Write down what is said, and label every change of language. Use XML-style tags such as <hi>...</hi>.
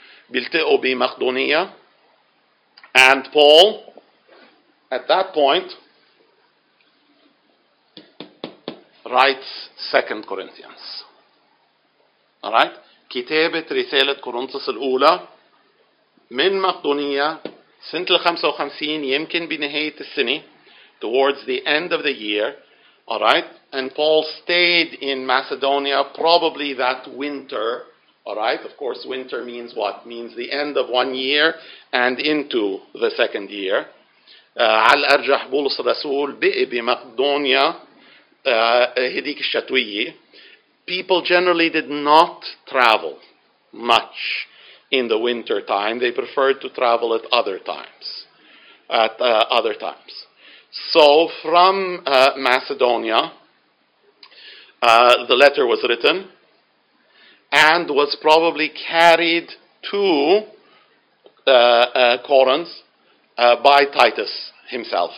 <ar>بيلتقوا بمقدونية,</ar> <en>and Paul, at that point, writes 2 Corinthians. Alright?</en> <ar>كتابة رسالة كورنثوس الأولى من مقدونية سنة 55 يمكن بنهاية السنة,</ar> <en>towards the end of the year, alright? And Paul stayed in Macedonia probably that winter. Alright, of course, winter means what? Means the end of one year and into the second year.</en> <ar>على أرجح بولس الرسول بقي بمقدونيا هديك الشتوية.</ar> <en>People generally did not travel much in the winter time. They preferred to travel at other times. So from Macedonia, the letter was written and was probably carried to Corinth by Titus himself.</en>